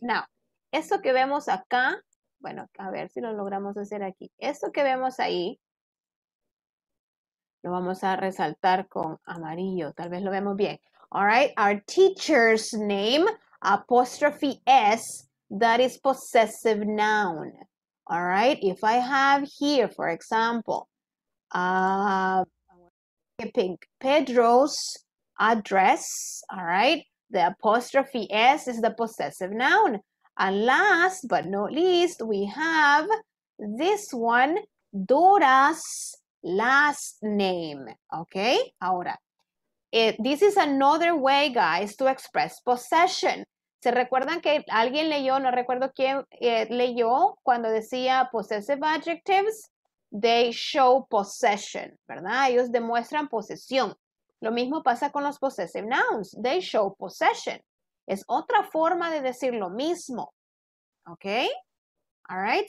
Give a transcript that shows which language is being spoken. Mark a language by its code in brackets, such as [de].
[es] Now, esto que vemos acá, bueno, a ver si lo logramos hacer aquí. Esto que vemos ahí, lo vamos a resaltar con amarillo. Tal vez lo vemos bien. [en] All right? Our teacher's name, apostrophe S, that is possessive noun. All right? If I have here, for example, Pedro's address, all right? The apostrophe S is the possessive noun. And last but not least, we have this one, Dora's last name, okay? Ahora, this is another way, guys, to express possession. [es] ¿Se recuerdan que alguien leyó, no recuerdo quién leyó, cuando decía possessive adjectives? [en] They show possession, [es] ¿verdad? Ellos demuestran posesión. Lo mismo pasa con los possessive nouns. [en] They show possession. [es] Es otra forma de decir lo mismo. ¿Ok? [en] All right.